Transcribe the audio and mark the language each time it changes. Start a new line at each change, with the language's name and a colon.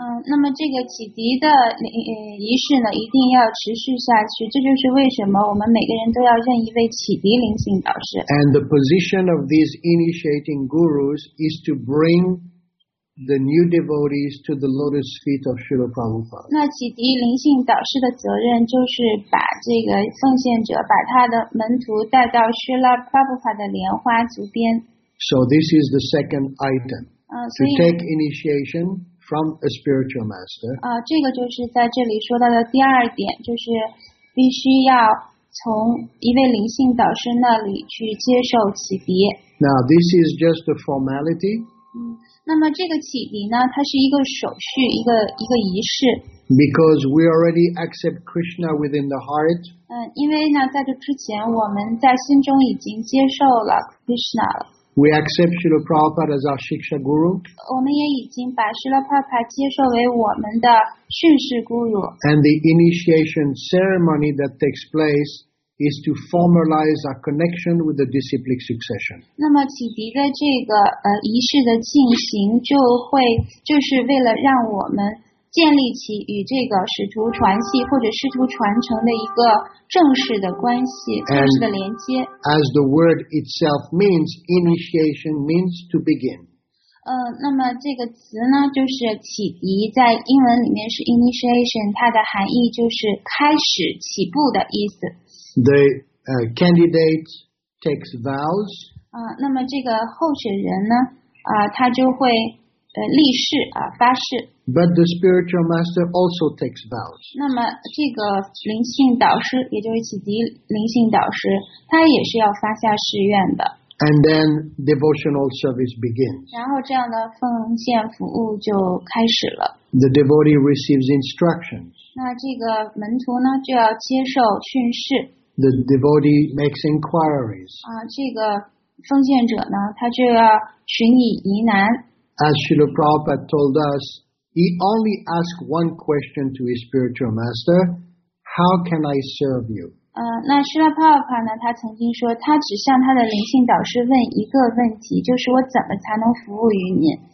Chinese: 那么这个启迪的仪式呢，一定要持续下去。这就是为什么我们每个人都要认一位启迪灵性导师。
English: And the position of these initiating gurus is to bring the new devotees to the lotus feet of Srila Prabhupada.
Chinese: 那启迪灵性导师的责任就是把这个奉献者把他的门徒带到 Srila Prabhupada 的莲花足边。
English: So this is the second item. To take initiation from a spiritual master.
Chinese: 这个就是在这里说到的第二点，就是必须要从一位灵性导师那里去接受启迪。
English: Now this is just a formality.
Chinese: 那么这个启迪呢，它是一个手续，一个仪式。
English: Because we already accept Krishna within the heart.
Chinese: 因为呢，在这之前，我们在心中已经接受了 Krishna 了。
English: We accept Srila Prabhupada as our Shiksha Guru.
Chinese: 我们也已经把 Srila Prabhupada 接受为我们的顺势 Guru.
English: And the initiation ceremony that takes place is to formalize our connection with the disciplic succession.
Chinese: 那么启迪的这个仪式的进行就会就是为了让我们建立起与这个使徒传系或者使徒传承的一个正式的关系正式的连接。
English: And as the word itself means, initiation means to begin.
Chinese: 那么这个词呢就是启迪在英文里面是 initiation, 它的含义就是开始起步的意思。
English: The candidate takes vows.
Chinese: 那么这个候选人呢他就会立誓发誓。
English: But the spiritual master also takes vows.
Chinese: 那么这个灵性导师也就是启迪灵性导师他也是要发下誓愿的。
English: And then devotional service begins.
Chinese: 然后这样的奉献服务就开始了。
English: The devotee receives instructions.
Chinese: 那这个门徒呢就要接受训示。
English: The devotee makes inquiries.
Chinese: 这个奉献者呢他就要寻以疑难。
English: As Srila Prabhupada told us, he only asked one question to his spiritual master, how can I serve you?
Chinese: 那 Srila Prabhupada 呢他曾经说他只向他的灵性导师问一个问题就是我怎么才能服务于你。